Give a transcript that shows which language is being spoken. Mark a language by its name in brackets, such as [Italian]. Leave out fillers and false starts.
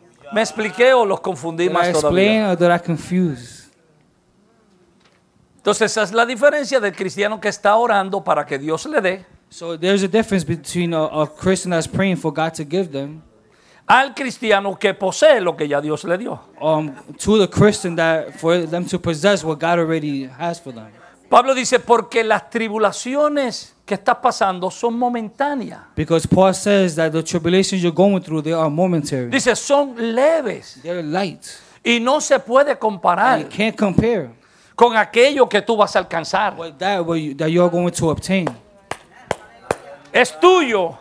[Spanish] ¿Me expliqué o los confundí [English] did [Spanish] más [English] I explain todavía? Or did I confuse? [Spanish] Entonces esa es la diferencia del cristiano que está orando para que Dios le dé. [English] So there's a difference between a Christian that's praying for God to give them. [Spanish] Al cristiano que posee lo que ya Dios le dio. [English] To the Christian that for them to possess what God already has for them. [Spanish] Pablo dice porque las tribulaciones que estás pasando son momentáneas. [English] Because Paul says that the tribulations you're going through, they are momentary. [Spanish] Dice, son leves. [English] They're light. [Spanish] Y no se puede comparar. [English] And you can't compare. [Spanish] Con aquello que tú vas a alcanzar. [English] That you're going to obtain. [Spanish] Es tuyo.